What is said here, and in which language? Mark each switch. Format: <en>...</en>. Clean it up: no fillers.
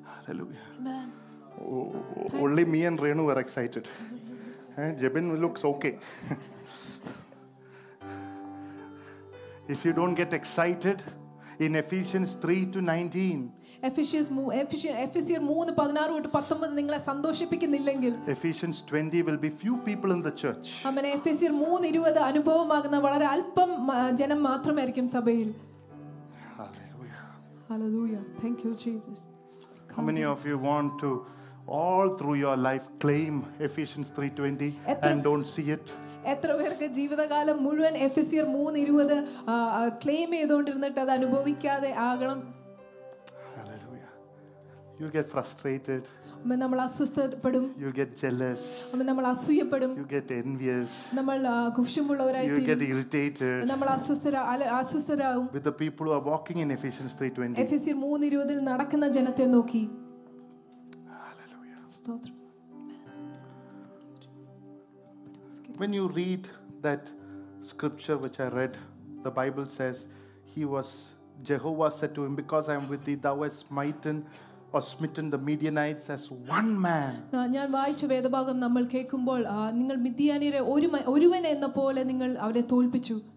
<en>amen. Oh, only me and Renu were excited. Jebin looks okay. If you don't get excited in Ephesians 3 to 19, Ephesians 20 will be few people in the church.</en> <ml>അമനെ എഫേസ്യർ 3:20 അനുഭവമാകുന്ന വളരെ അല്പം ജനം മാത്രമേ ആയിരിക്കും സഭയിൽ.</ml> <en>Hallelujah. Hallelujah. Thank you Jesus. How many of you want to all through your life claim Ephesians 3:20 and don't see it?</en> <ml>എത്ര പേർക്ക് ജീവിതകാലം മുഴുവൻ എഫേസ്യർ 3:20 ക്ലെയിം ചെയ്തുകൊണ്ടിരുന്നിട്ട് അത് അനുഭവിക്കാതെ ആകണം?</ml> <en>You get frustrated.</en> <ml>അമ്മ നമ്മൾ അസ്വസ്ഥപ്പെടും.</ml> <en>You get jealous.</en> <ml>അമ്മ നമ്മൾ അസൂയപ്പെടും.</ml> <en>You get envious.</en> <ml>നമ്മൾ കുഷുമുള്ളവരായി തീരും.</ml> <en>You get irritated.</en> <ml>നമ്മൾ അസ്വസ്ഥരാകും.</ml> <en>With the people who are walking in Ephesians 3:20.</en> <ml>എഫേസ്യർ 3:20 ൽ നടക്കുന്ന ജനത്തെ നോക്കി.</ml> <en>Hallelujah.</en> <ml>സ്തോത്രം.</ml> <en>When you read that scripture which I read, the Bible says he was, Jehovah said to him, because I am with thee, thou hast smitten or smitten the Midianites as one man.</en> <ml>ഞാൻ വായിച്ച വേദഭാഗം നമ്മൾ കേൾക്കുമ്പോൾ നിങ്ങൾ മിദ്യാനിയരെ ഒരുവൻ എന്ന പോലെ നിങ്ങൾ അവരെ തോൽപ്പിച്ചു.</ml>